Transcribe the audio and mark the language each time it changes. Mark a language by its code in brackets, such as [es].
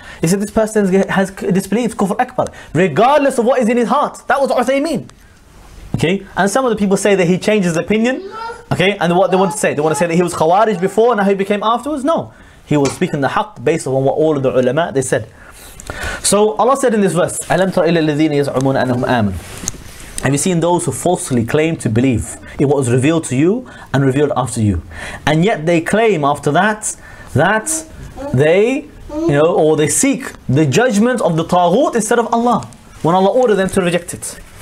[en] He said this person has disbelieved Kufr Akbar, regardless of what is in his heart. That was Uthaymeen. Okay, and some of the people say that he changed his opinion. Okay, and what they want to say, they want to say that he was Khawarij before, now he became afterwards. No, he was speaking the haqq based on what all of the ulama they said. So Allah said in this verse, [ar] أَلَمْ تَرَ إِلَى الَّذِينَ يَزْعُمُونَ أَنَّهُمْ آمَنُوا. [en] Have you seen those who falsely claim to believe in what was revealed to you and revealed after you, and yet they claim after that that they, you know, or they seek the judgment of the taghut instead of Allah when Allah ordered them to reject it?